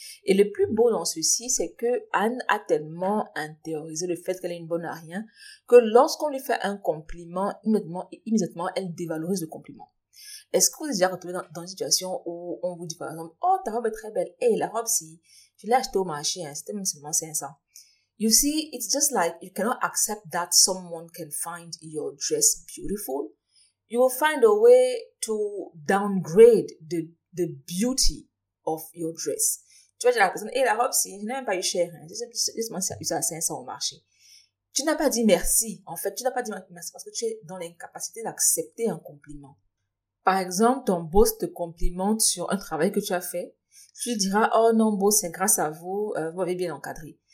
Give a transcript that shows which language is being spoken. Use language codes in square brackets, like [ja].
[fr] Et le plus beau dans ceci, c'est que Anne a tellement intériorisé le fait qu'elle est une bonne à rien que lorsqu'on lui fait un compliment, immédiatement, elle dévalorise le compliment. Est-ce que vous êtes déjà retrouvé dans une situation où on vous dit par exemple « Oh, ta robe est très belle. Hé, hey, la robe, si... » Je l'ai acheté au marché, hein, c'était même seulement 500. [en] You see, it's just like you cannot accept that someone can find your dress beautiful. You will find a way to downgrade the beauty of your dress. [fr] Tu vas dire à la personne, hé, la robe, si, je n'ai même pas eu cher, hein, juste 500 au marché. Tu n'as pas dit merci, en fait, tu n'as pas dit merci parce que tu es dans l'incapacité d'accepter un compliment. Par exemple, ton boss te complimente sur un travail que tu as fait. Tu lui diras, oh non, beau, c'est grâce à vous, vous m'avez bien encadré.